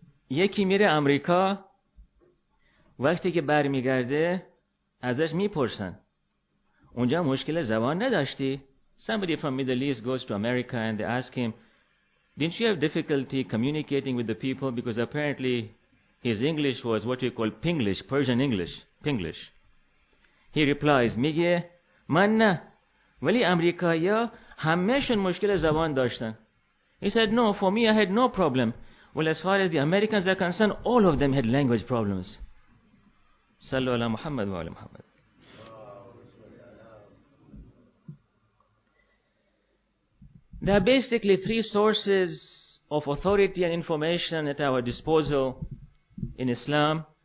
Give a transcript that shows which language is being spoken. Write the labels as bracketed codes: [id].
[fa] یکی میره امریکا وقتی که برمیگرده ازش میپرسن اونجا مشکل زبان نداشتی? [en] Somebody from Middle East goes to America and they ask him, didn't you have difficulty communicating with the people? Because apparently his English was what we call Pinglish, Persian English, Pinglish. He replies, [fa] میگه من نه ولی امریکایی ها همهشون مشکل زبان داشتن. [en] He said, no, for me I had no problem. Well, as far as the Americans are concerned, all of them had language problems. [ar] صلو علی محمد و علی محمد. [en] There are basically three sources of authority and information at our disposal in Islam.